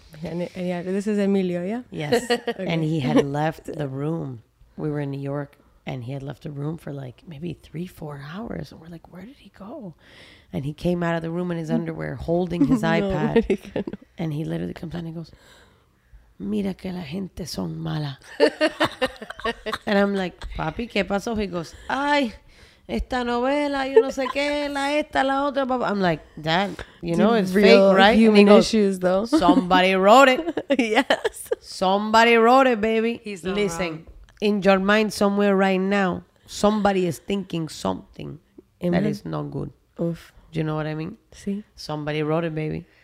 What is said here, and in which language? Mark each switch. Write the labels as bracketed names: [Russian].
[English] And yeah, this is Emilio, yeah? Yes. Okay. And he had left the room. We were in New York. And he had left the room for like maybe 3-4 hours. And we're like, where did he go? And he came out of the room in his underwear holding his iPad. And he literally comes out and he goes, [Spanish] mira que la gente son mala. [English] And I'm like, [Spanish] papi, ¿qué pasó? [English] He goes, [Spanish] ay, esta novela, yo no sé qué, la esta, la otra. [English] Papa. I'm like, dad, you know, it's real fake, right? Human goes, issues, though. Somebody wrote it. Yes. Somebody wrote it, baby. He's not listen. Wrong. In your mind somewhere right now, somebody is thinking something that is not good. Oof. Do you know what I mean? See? Somebody wrote it, baby.